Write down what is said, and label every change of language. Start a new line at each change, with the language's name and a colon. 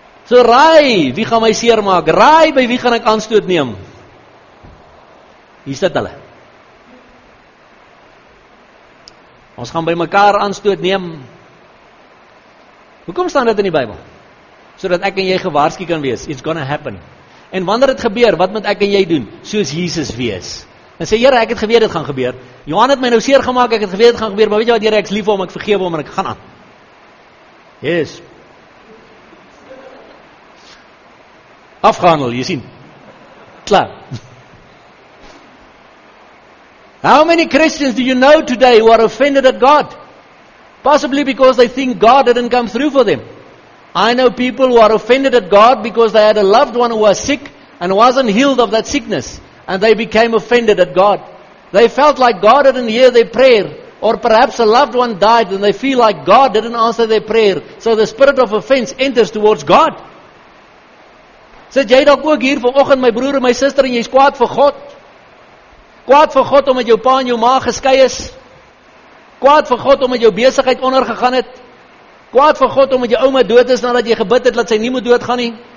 Afrikaans: So raai, wie gaan my seer maak? Raai, by wie gaan ek aanstoot neem? Hier sit hulle. Ons gaan by mekaar aanstoot neem. Hoekom staan dit in die Bybel? Sodat ek en jy gewaarsku kan wees.
English: It's gonna happen.
Afrikaans: En wanneer dit gebeur, wat moet ek en jy doen? Soos Jesus wees. En sê, Here, ek het geweet dit gaan gebeur. Johan het my nou seer gemaak, ek het geweet dit gaan gebeur. Maar weet jy wat, Here, ek is lief vir hom, ek vergewe hom en ek gaan aan.
English: Yes.
Afrikaans: Afgehandel, jy sien. Klaar.
English: How many Christians do you know today who are offended at God? Possibly because they think God didn't come through for them. I know people who are offended at God because they had a loved one who was sick and wasn't healed of that sickness. And they became offended at God. They felt like God didn't hear their prayer. Or perhaps a loved one died and they feel like God didn't answer their prayer. So the spirit of offense enters towards God.
Afrikaans: Sit jy dalk ook hier vanoggend my broer en my suster en jy is kwaad vir God? Kwaad vir God omdat jou pa en jou ma geskei is? Kwaad vir God omdat jou besigheid ondergegaan het? Kwaad vir God omdat jou ouma dood is nadat jy gebid het dat sy nie moet doodgaan nie?